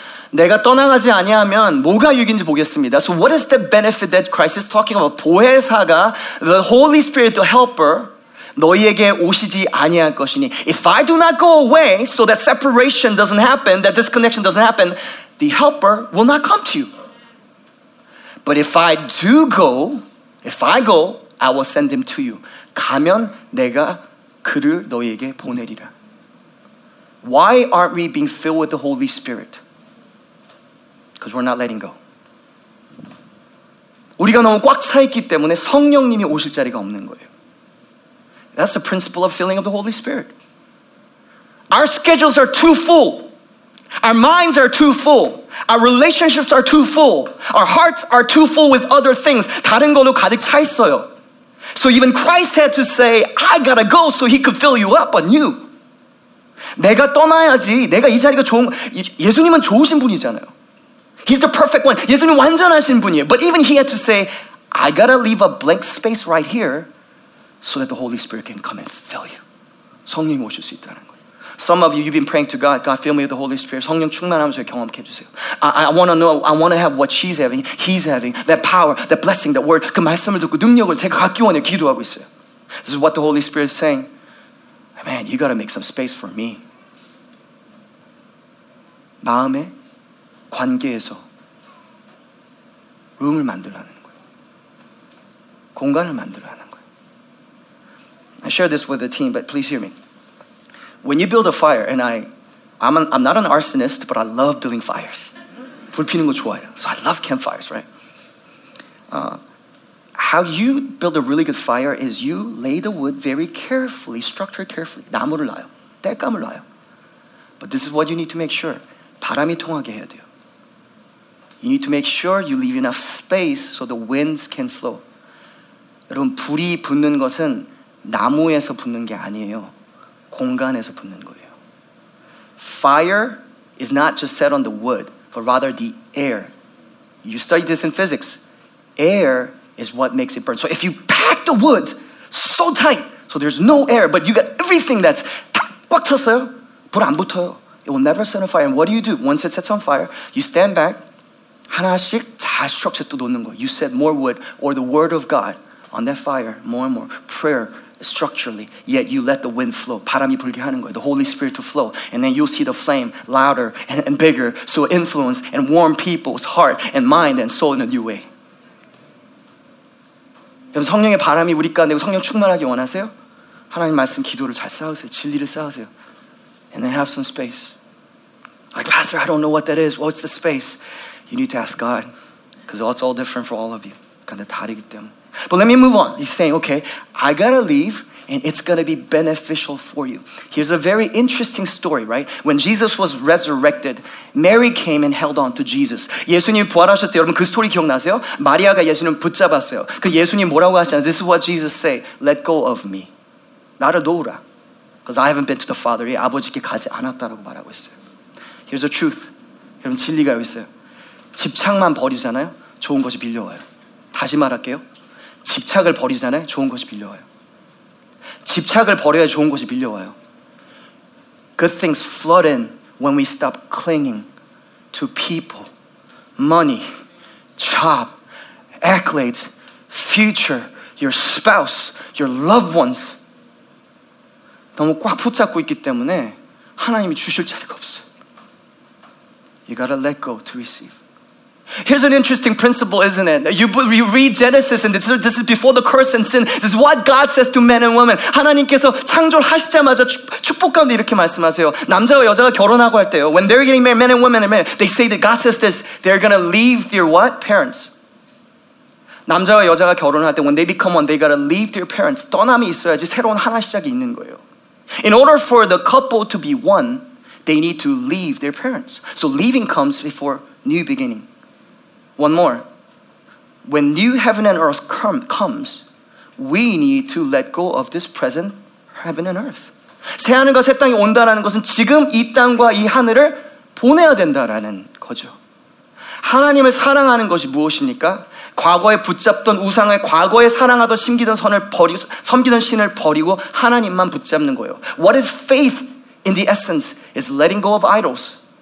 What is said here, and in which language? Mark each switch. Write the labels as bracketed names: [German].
[Korean] 내가 떠나가지 아니하면 뭐가 유익인지 보겠습니다. [English] So what is the benefit that Christ is talking about? 보혜사가, the Holy Spirit, the Helper, [Korean] 너희에게 오시지 아니할 것이니. [English] If I do not go away, so that separation doesn't happen, that disconnection doesn't happen, the Helper will not come to you. But if I do go, if I go, I will send him to you. [Korean] 가면 내가 그를 너희에게 보내리라. [English] Why aren't we being filled with the Holy Spirit? Because we're not letting go. [Korean] 우리가 너무 꽉 차있기 때문에 성령님이 오실 자리가 없는 거예요. [English] That's the principle of filling of the Holy Spirit. Our schedules are too full. Our minds are too full. Our relationships are too full. Our hearts are too full with other things. [Korean] 다른 걸로 가득 차 있어요. [English] So even Christ had to say, I gotta go so he could fill you up anew. [Korean] 내가 떠나야지. 내가 이 자리가 좋은, 예수님은 좋으신 분이잖아요. [English] He's the perfect one. [Korean] 예수님 완전하신 분이에요. [English] But even he had to say, I gotta leave a blank space right here so that the Holy Spirit can come and fill you. [Korean] 성령이 오실 수 있다는 거예요. [English] Some of you, you've been praying to God. God, fill me with the Holy Spirit. [Korean] 성령 충만하면서 경험해 주세요. [English] I want to know, I want to have what she's having, he's having, that power, that blessing, that word. [Korean] 그 말씀을 듣고 능력을 제가 갖기 원해 기도하고 있어요. [English] This is what the Holy Spirit is saying. Man, you got to make some space for me. [Korean] 마음의 관계에서 룸을 만들어 하는 거예요. 공간을 만들어 하는 거예요. [English] I share this with the team, but please hear me. When you build a fire, and I'm not an arsonist, but I love building fires. [Korean] 불 피는 거 좋아요. [English] So I love campfires, right? how you build a really good fire is you lay the wood very carefully, structure carefully. [Korean] 나무를 놔요. 땔감을 놔요. [English] But this is what you need to make sure. [Korean] 바람이 통하게 해야 돼요. [English] You need to make sure you leave enough space so the winds can flow. [Korean] 여러분, 불이 붙는 것은 나무에서 붙는 게 아니에요. 공간에서 붙는 거예요. [English] Fire is not just set on the wood, but rather the air. You study this in physics. Air is what makes it burn. So if you pack the wood so tight, so there's no air, but you got everything that's [Korean] 꽉 찼어요. 불 안 붙어요. [English] It will never set on fire. And what do? Once it sets on fire, you stand back. [Korean] 하나씩 잘 structure 또 놓는 거. [English] You set more wood or the word of God on that fire, more and more. Prayer, structurally. Yet you let the wind flow. [Korean] 바람이 불게 하는 거예요. [English] The Holy Spirit to flow. And then you'll see the flame louder and bigger. So influence and warm people's heart and mind and soul in a new way. [Korean] 여러분, 성령의 바람이 우리 가운데 성령 충만하기 원하세요? 하나님 말씀 기도를 잘 쌓으세요. 진리를 쌓으세요. [English] And then have some space. Like, Pastor, I don't know what that is. What's the space? You need to ask God. Because it's all different for all of you. [Korean] 근데 다르기 때문에. [English] But let me move on. He's saying, okay, I gotta leave and it's gonna be beneficial for you. Here's a very interesting story, right? When Jesus was resurrected, Mary came and held on to Jesus. [Korean] 예수님 부활하셨대요. 여러분, 그 스토리 기억나세요? 마리아가 예수님 붙잡았어요. 그 예수님 뭐라고 하시냐? [English] This is what Jesus say. Let go of me. [Korean] 나를 놓으라. [English] Because I haven't been to the Father. [Korean] 예, 아버지께 가지 않았다라고 말하고 있어요. [English] Here's the truth. [Korean] 여러분, 진리가 여기 있어요. 집착만 버리잖아요. 좋은 것이 빌려와요. 다시 말할게요. 집착을 버리잖아요. 좋은 것이 빌려와요. 집착을 버려야 좋은 것이 빌려와요. [English] Good things flood in when we stop clinging to people, money, job, accolades, future, your spouse, your loved ones. [Korean] 너무 꽉 붙잡고 있기 때문에 하나님이 주실 자리가 없어요. [English] You gotta let go to receive. Here's an interesting principle, isn't it? You read Genesis, and this is before the curse and sin. This is what God says to men and women. [Korean] 하나님께서 창조하시자마자 축복 가운데 이렇게 말씀하세요. 남자와 여자가 결혼하고 할 때요. [English] When they're getting married, men and women, they say that God says this. They're gonna leave their what? Parents. [Korean] 남자와 여자가 결혼할 때, [English] when they become one, they gotta leave their parents. [Korean] 떠남이 있어야지 새로운 하나 시작이 있는 거예요. [English] In order for the couple to be one, they need to leave their parents. So leaving comes before new beginning. One more. When new heaven and earth comes, we need to let go of this present heaven and earth. [Korean] 새하늘과 새 땅이 온다라는 것은 지금 이 땅과 이 하늘을 보내야 된다라는 거죠. 하나님을 사랑하는 것이 무엇입니까? 과거에 붙잡던 우상을, 과거에 사랑하던 섬기던 선을 버리고, 섬기던 신을 버리고 하나님만 붙잡는 거예요. [English] What is faith in the essence? Is letting go of idols.